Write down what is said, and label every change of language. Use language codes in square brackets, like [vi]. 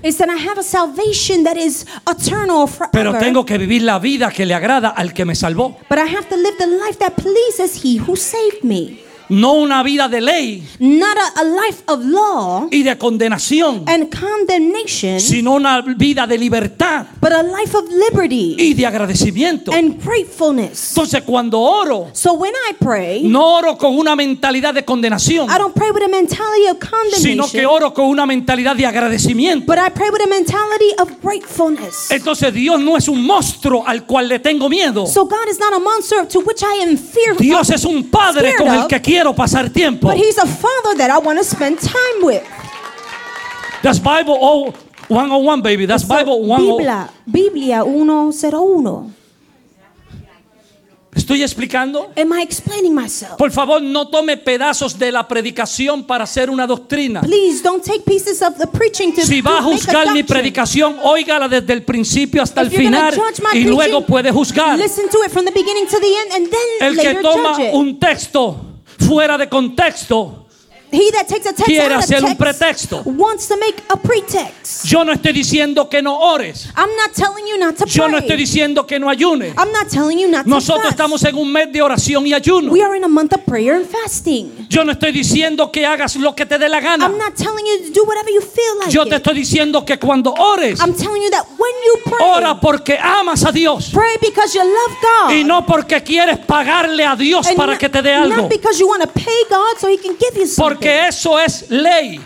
[en] It's that I have a salvation that is eternal forever. [es] Pero tengo que vivir la vida que le agrada al que me salvó. [en] But I have to live the life that pleases he who saved me. [es] No una vida de ley. [en] Not a life of law. [es] Y de condenación. [en] And condemnation. [es] Sino una vida de libertad. [en] But a life of liberty. [es] Y de agradecimiento. [en] And gratefulness. [es] Entonces cuando oro. [en] So when I pray. [es] No oro con una mentalidad de condenación. [en] I don't pray with a mentality of condemnation. [es] Sino que oro con una mentalidad de agradecimiento. [en] But I pray with a mentality of gratefulness. [es] Entonces Dios no es un monstruo al cual le tengo miedo. [en] So God is not a monster to which I am fearful. [es] Dios es un padre con el que quiero pasar tiempo. [en] But he's a father that I want to spend time with. That's Bible 101, baby. That's Bible 101. [es] Biblia 101. ¿Estoy explicando? [en] Am I explaining myself? [es] Por favor, no tome pedazos de la predicación para hacer una doctrina. [en] Please don't take pieces of the preaching to [es] si va a juzgar mi predicación, óigala desde el principio hasta [en] if [es] el final y luego puede juzgar. [en] Listen to it from the beginning to the end and then later judge it. [es] El que toma un texto fuera de contexto, [en] he that takes a text [es] quiere hacer [en] text [es] un pretexto. [en] Wants to make a pretext. [es] Yo no estoy diciendo que no ores. [en] I'm not telling you not to pray. [es] Yo no estoy diciendo que no ayune. [en] I'm not telling you not [es] nosotros [en] to fast. [es] Estamos en un mes de oración y ayuno. [en] We are in a month of prayer and fasting. [es] Yo no estoy diciendo que hagas lo que te dé la gana. [en] I'm not telling you to do whatever you feel like. [es] Yo te estoy diciendo que cuando ores, [en] I'm telling you that when you pray, [es] ora porque amas a Dios. [en] Pray because you love God. [es] Y no porque quieres pagarle a Dios [en] and [es] para [en] not, [es] que te dé algo. [en] Not because you want to pay God so he can give you something. [es] Porque eso es ley.